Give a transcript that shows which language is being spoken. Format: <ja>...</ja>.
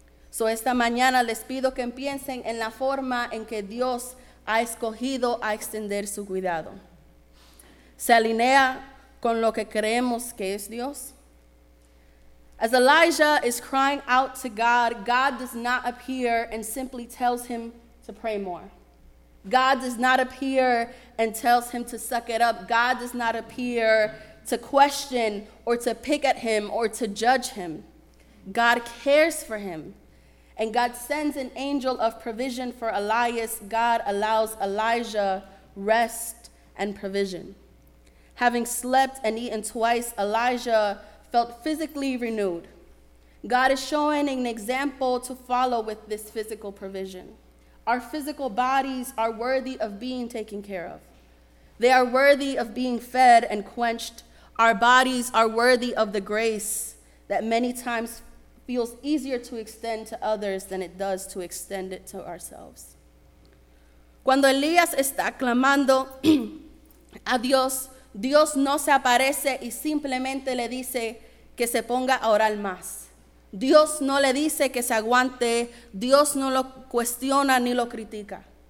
<es>So esta mañana les pido que piensen en la forma en que Dios ha escogido a extender su cuidado. ¿Se alinea con lo que creemos que es Dios?</es> <en>As Elijah is crying out to God, God does not appear and simply tells him to pray more. God does not appear and tells him to suck it up. God does not appear to question or to pick at him or to judge him. God cares for him. And God sends an angel of provision for Elias. God allows Elijah rest and provision. Having slept and eaten twice, Elijah felt physically renewed. God is showing an example to follow with this physical provision. Our physical bodies are worthy of being taken care of. They are worthy of being fed and quenched. Our bodies are worthy of the grace that many times feels easier to extend to others than it does to extend it to ourselves.</en> <es>Cuando Elías está clamando a Dios, Dios no se aparece y simplemente le dice que se ponga a orar más. Dios no le dice que se aguante, Dios no lo cuestiona ni lo critica.</es>